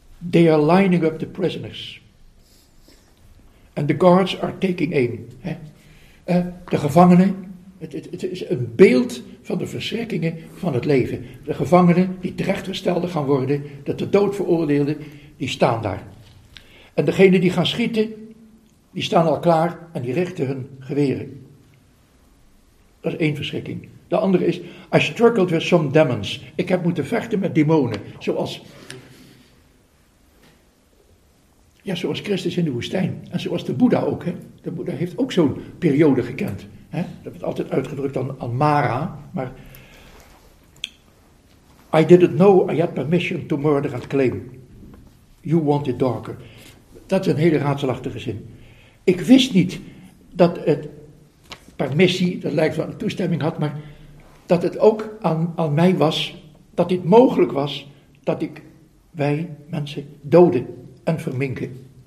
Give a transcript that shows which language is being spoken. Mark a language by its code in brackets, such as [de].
[en] They are lining up the prisoners. And the guards are taking aim. Hè? [nl] De gevangenen. Het is een beeld van de verschrikkingen van het leven. De gevangenen die terechtgestelde gaan worden, dat de dood veroordeelde, die staan daar. En degenen die gaan schieten, die staan al klaar en die richten hun geweren. Dat is één verschrikking. De andere is, [en] I struggled with some demons. [nl] Ik heb moeten vechten met demonen. Zoals Christus in de woestijn. En zoals de Boeddha ook. Hè? De Boeddha heeft ook zo'n periode gekend. Hè? Dat wordt altijd uitgedrukt aan Mara. Maar [en] I didn't know I had permission to murder and claim. You want it darker. [nl] Dat is een hele raadselachtige zin. Ik wist niet dat het permissie, dat lijkt wel een toestemming had, maar dat het ook aan mij was, dat dit mogelijk was, dat ik wij mensen doden en verminken.